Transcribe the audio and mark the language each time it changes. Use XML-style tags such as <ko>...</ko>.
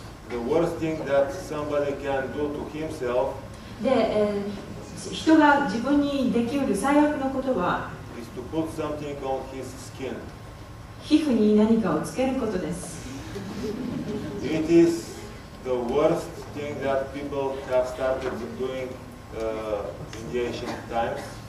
<en>The worst thing that somebody can do to himself.</en> <ja>で、人が自分にできる最悪のことは、</ja> <en>is to put something on his skin.</en> <ja>皮膚に何かをつけることです。</ja> <en>It is the worst thing that people have started doing, in the ancient times.</en>